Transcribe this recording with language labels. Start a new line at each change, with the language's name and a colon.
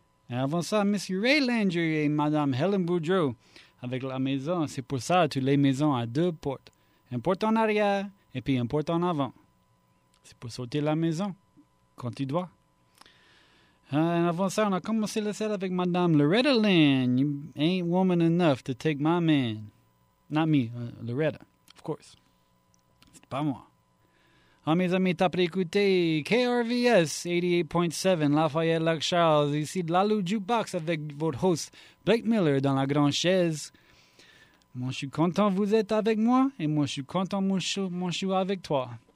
French: Et avant ça, Monsieur Ray Landry et Madame Helen Boudreau avec la maison. C'est pour ça que tu les maisons à deux portes. Une porte en arrière et puis une porte en avant. C'est pour sauter la maison quand tu dois. Avant ça, on a commencé le set avec Madame Loretta Lynn.
English: You ain't woman enough to take my man. Not me, Loretta, of course.
French: C'est pas moi. Ah, mes amis, t'as préécouté KRVS 88.7, Lafayette Lac Charles. Ici de Lalu Jukebox avec votre host Blake Miller dans la grande chaise. Moi, je suis content vous êtes avec moi et moi, je suis content, moi, je suis avec toi.